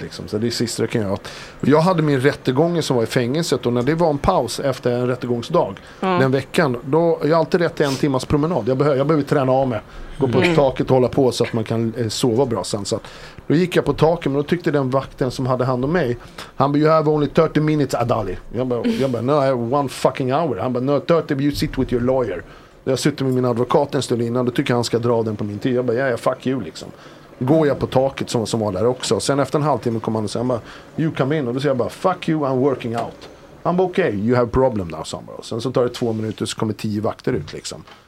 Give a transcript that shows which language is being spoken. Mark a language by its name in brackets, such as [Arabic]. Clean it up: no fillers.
[Swedish] Liksom, så det är sista det kan jag göra. Jag hade min rättegång som var i fängelset och när det var en paus efter en rättegångsdag, den veckan, då har jag alltid rätt till en timmars promenad. Jag behöver träna av mig. Gå på taket och hålla på så att man kan sova bra sen. Så att, då gick jag på taket, men då tyckte den vakten som hade hand om mig, han bara, [English] you have only 30 minutes, [Swedish] Adali. Jag bara, [English] no, I have one fucking hour. [Swedish] Han bara, [English] no, 30, you sit with your lawyer. [Swedish] Jag sitter med min advokat en stund innan, då tycker han ska dra den på min tid. Jag bara, [English] yeah, fuck you [Swedish] liksom. Går jag på taket som var där också. Sen efter en halvtimme kom han och sa, han bara, [English] you come in. [Swedish] Och då säger jag bara, [English] fuck you, I'm working out. [Swedish] Han bara, [English] okay, you have problem now, [Swedish] sa han. Sen så tar det 2 minuter så kommer 10 vakter ut liksom.